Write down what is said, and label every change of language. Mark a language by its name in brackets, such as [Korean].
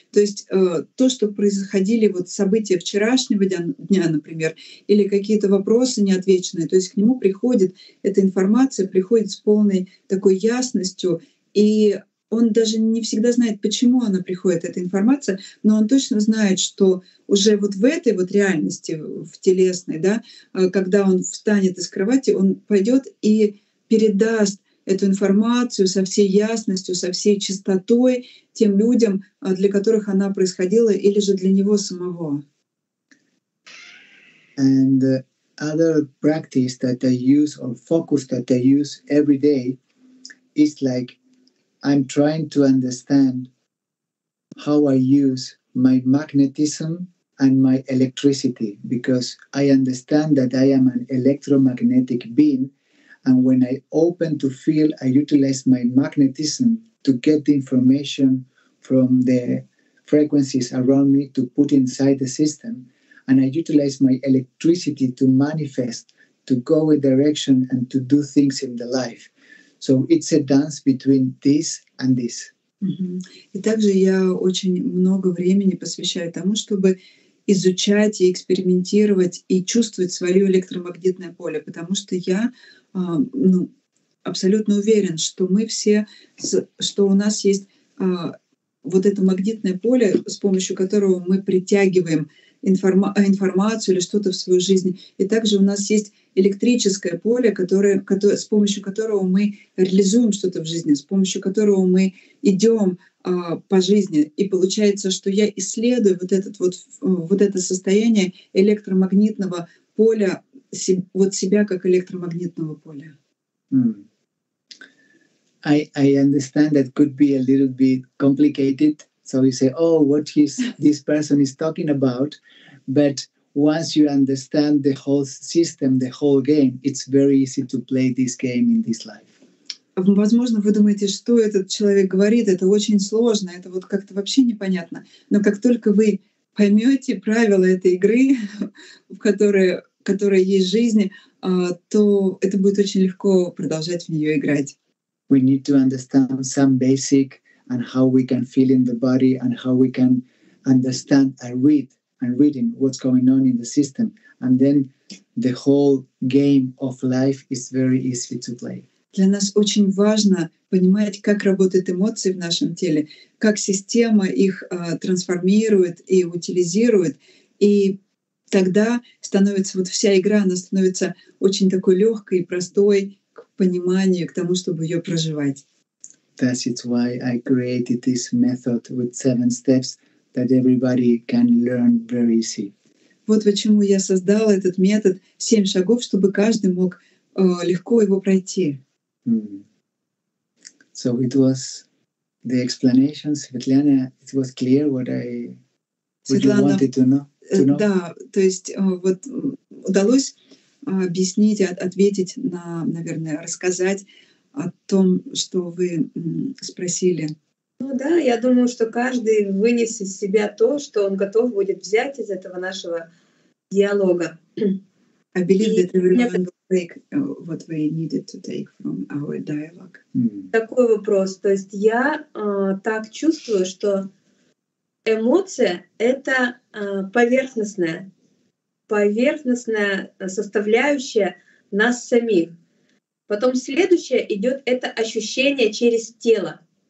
[Russian] То есть то, что происходили вот события вчерашнего дня, например, или какие-то вопросы неотвеченные, то есть к нему приходит эта информация, приходит с полной такой ясностью, и он даже не всегда знает, почему она приходит, эта информация, но он точно знает, что уже вот в этой вот реальности, в телесной, да, когда он встанет из кровати, он пойдет и передаст эту информацию со всей ясностью, со всей чистотой тем людям, для которых она происходила, или же для него самого. [English] And other practice that I use or focus that I use every day is like I'm trying to understand how I use my magnetism and my electricity, because I understand that I am an electromagnetic being. And when I open to feel, I utilize my magnetism to get the information from the frequencies around me to put inside the system. And I utilize my electricity to manifest, to go a direction and to do things in the life. So it's a dance between this and this. [Russian] И также я очень много времени посвящаю тому, чтобы изучать и экспериментировать и чувствовать свое электромагнитное поле, потому что я абсолютно уверен, что мы все, что у нас есть вот это магнитное поле, с помощью которого мы притягиваем информацию или что-то в свою жизнь. И также у нас есть электрическое поле, с помощью которого мы реализуем что-то в жизни, с помощью которого мы идем по жизни. И получается, что я исследую вот это состояние электромагнитного поля, вот себя как электромагнитного поля. [English] I understand that could be a little bit complicated. So you say, oh, what is this person is talking about? But once you understand the whole system, the whole game, it's very easy to play this game in this life. [Russian] Возможно, вы думаете, что этот человек говорит, это очень сложно, это вот как-то вообще непонятно. Но как только вы поймете правила этой игры, в которой есть жизнь, то это будет очень легко продолжать в нее играть. [English] we need to understand some basic and how we can feel in the body and how we can understand and read and reading what's going on in the system. And then the whole game of life is very easy to play. [Russian] Для нас очень важно понимать, как работают эмоции в нашем теле, как система их трансформирует и утилизирует. И тогда становится вот вся игра, она становится очень такой легкой и простой к пониманию, к тому, чтобы ее проживать. [English] That's it why I created this method with 7 steps that everybody can learn very easy. [Russian] Вот почему я создал этот метод 7 шагов, чтобы каждый мог легко его пройти. [English] So it was the explanation, Svetlana. It was clear what I wanted to know. [Russian] Да, то есть вот удалось объяснить, ответить на, наверное, рассказать о том, что вы спросили. Ну да, я думаю, что каждый вынес из себя то, что он готов будет взять из этого нашего диалога. [English] I believe that everyone will take what we needed to take from our dialogue. [Russian] Такой вопрос. То есть я так чувствую, что эмоция — это поверхностная составляющая нас самих. Потом следующее идет — это ощущение через тело.